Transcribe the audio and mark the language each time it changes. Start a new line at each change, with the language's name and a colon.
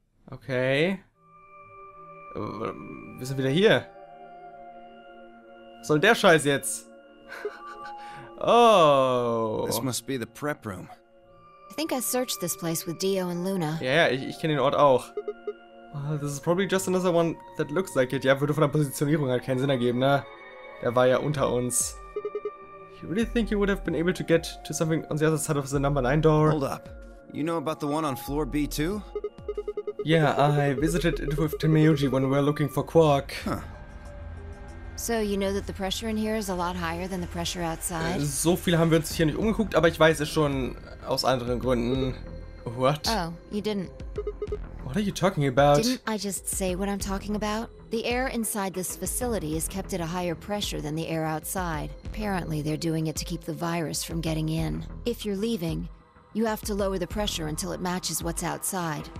German: Okay. Wir sind wieder hier. Was soll der Scheiß jetzt? Oh.
English: This must be the prep room. I think I searched this place with Dio and Luna.
German: Yeah, ich kenne den Ort auch.
English: Well, this is probably just another one that looks like it.
German: Ja, würde von der Positionierung halt keinen Sinn ergeben, ne? Der war ja unter uns.
English: You really think you would have been able to get to something on the other side of the number 9 door? Hold up. You know about the one on floor B2? Yeah, I visited it with Tenmyoji when we were looking for Quark. Huh. So, you know that the pressure in here is a lot higher than the pressure outside?
German: So viel haben wir uns hier nicht umgeguckt, aber ich weiß es schon aus anderen Gründen.
English: What? Oh, you didn't. What are you talking about? Didn't I just say what I'm talking about? The air inside this facility is kept at a higher pressure than the air outside. Apparently, they're doing it to keep the virus from getting in. If you're leaving, you have to lower the pressure until it matches what's outside.